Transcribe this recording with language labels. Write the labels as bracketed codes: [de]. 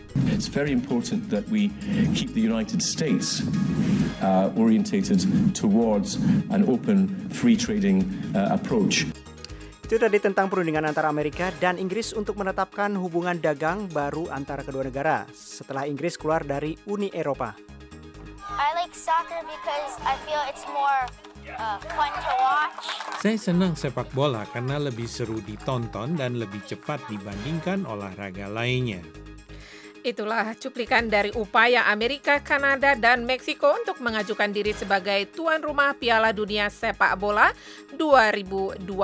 [en] it's very important that we keep the United States orientated towards an open free trading approach. [id] Itu tadi tentang perundingan antara Amerika dan Inggris untuk menetapkan hubungan dagang baru antara kedua negara setelah Inggris keluar dari Uni Eropa. [en] I like soccer because I feel it's more fun to watch. [id] Saya senang sepak bola karena lebih seru ditonton dan lebih cepat dibandingkan olahraga lainnya. Itulah cuplikan dari upaya Amerika, Kanada, dan Meksiko untuk mengajukan diri sebagai tuan rumah Piala Dunia Sepak Bola 2026.